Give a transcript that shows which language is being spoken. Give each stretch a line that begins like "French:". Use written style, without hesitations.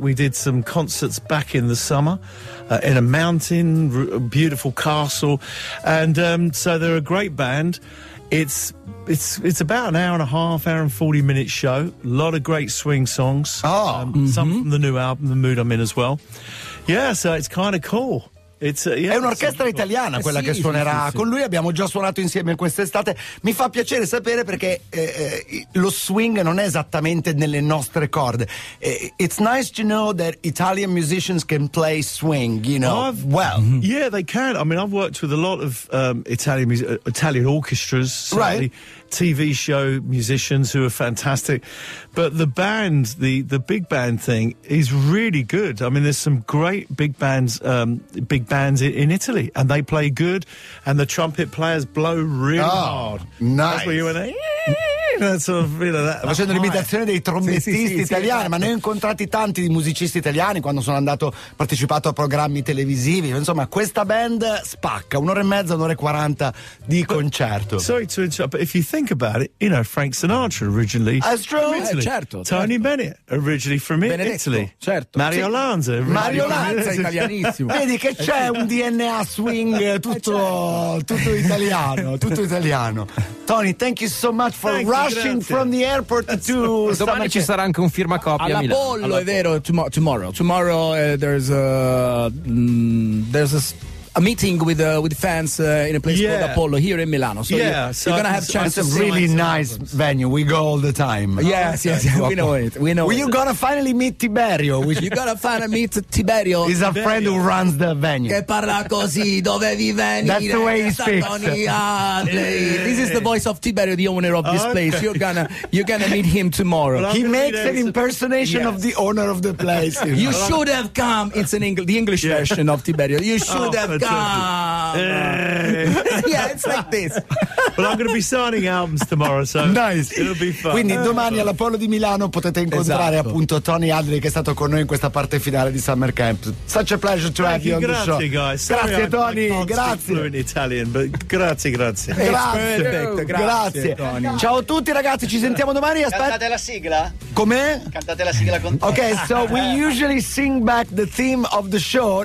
English: We did some concerts back in the summer in a mountain, a beautiful castle. And so they're a great band. It's about an hour and a half, hour and 40 minute show. A lot of great swing songs. Some from the new album, The Mood I'm In as well. Yeah, so it's kind of cool.
Italian: È un'orchestra italiana quella che suonerà con lui. Abbiamo già suonato insieme quest'estate. Mi fa piacere sapere, perché lo swing non è esattamente nelle nostre corde.
English: It's nice to know that Italian musicians can play swing, you know. Yeah, they can. I mean, I've worked with a lot of Italian orchestras, certainly. Right. TV show musicians who are fantastic, but the band, the big band thing is really good. I mean, there's some great big bands in Italy, and they play good, and the trumpet players blow really hard. Nice. That's where you went.
Italian: Facendo l'imitazione dei trombettisti italiani, esatto. Ma ne ho incontrati tanti di musicisti italiani quando sono andato, partecipato a programmi televisivi. Insomma, questa band spacca, 1:30, 1:40 di concerto.
English: Sorry to interrupt, but if you think about it, you know, Frank Sinatra originally from Italy. Tony Bennett originally from Italy.
Italian: Certo.
English: Mario Lanza
Italian: italianissimo. Vedi che c'è un DNA swing tutto italiano.
English: Tony, thank you so much for rushing from the airport to
Italian: domani ci sarà anche un firmacopia alla Apollo, è vero.
English: Tomorrow there's a meeting with fans in a place called Apollo here in Milano, so it's a really nice venue. We go all the time. We know it. You gonna finally meet Tiberio? You gonna finally meet Tiberio? He's a friend who runs the venue.
Italian: Che parla così, dove vi veni?
English: That's the way he speaks. This is the voice of Tiberio, the owner of this place. You're gonna meet him tomorrow. He makes an impersonation of the owner of the place. You should have come. It's an the English version of Tiberio. You should have. Well, I'm going to be signing albums tomorrow, so nice. It'll be fun.
Italian: Quindi domani all'Apollo di Milano potete incontrare appunto Tony Adley, che è stato con noi in questa parte finale di Summer Camp.
English: Such a pleasure to have you on the show.
Italian: Grazie Tony. Grazie.
English: In Italian, but grazie.
Italian: Grazie. Tony. Ciao a tutti ragazzi. Ci sentiamo domani. Cantate la sigla. Com'è? Cantate la sigla con te.
English: Okay, so we usually sing back the theme of the show.